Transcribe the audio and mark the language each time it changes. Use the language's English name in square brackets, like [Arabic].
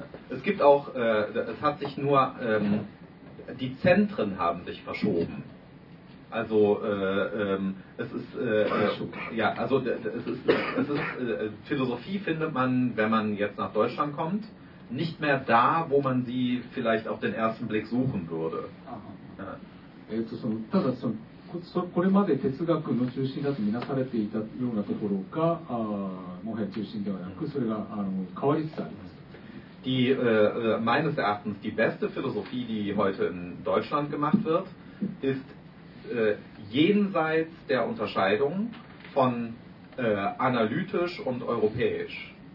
[German] Es gibt auch, es hat sich nur, die Zentren haben sich verschoben. Also, es ist, ja, also es ist, Philosophie findet man, wenn man jetzt nach Deutschland kommt, nicht mehr da, wo man sie vielleicht auf den ersten Blick suchen würde. Ja. [Japanese] これまで哲学の中心だとみなされていたようなところが、もはや中心ではなく、それが変わりつつあります。 [German] Die, meines Erachtens die beste Philosophie, die heute in Deutschland gemacht wird, ist jenseits der Unterscheidung von analytisch und europäisch.